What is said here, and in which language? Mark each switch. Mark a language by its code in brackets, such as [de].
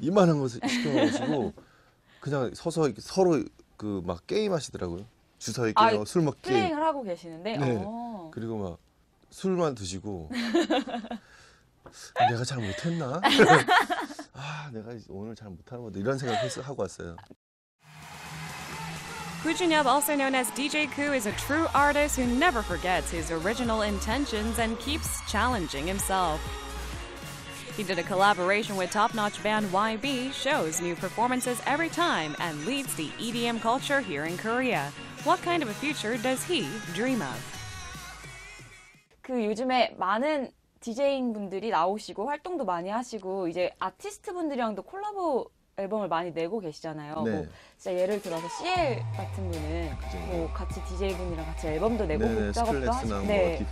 [ko] 이만한 것을 시켜놓으시고 그냥 서서 이렇게 서로 그 막 게임 하시더라고요. 주사위 게임, 술 먹기 플레잉을 하고 계시는데 네. 그리고 막 술만 드시고 내가 잘 못했나? 내가 오늘 잘 못하는 것도 이런 생각을 하고 왔어요. [en] Kujinyeob, also known as DJ Koo, is a true artist who never forgets his original intentions and keeps challenging himself. He did a collaboration with top-notch band YB, shows new performances every time, and leads the EDM culture here in Korea. What kind of a future does he dream of? [ko] 그 요즘에 많은 DJ분들이 나오시고 활동도 많이 하시고 이제 아티스트분들이랑도 콜라보 앨범을 많이 내고 계시잖아요. 네. 뭐 진짜 예를 들어서 CL 같은 분은 뭐 같이 DJ분이랑 같이 앨범도 내고 네네, 곡 작업도 하시는데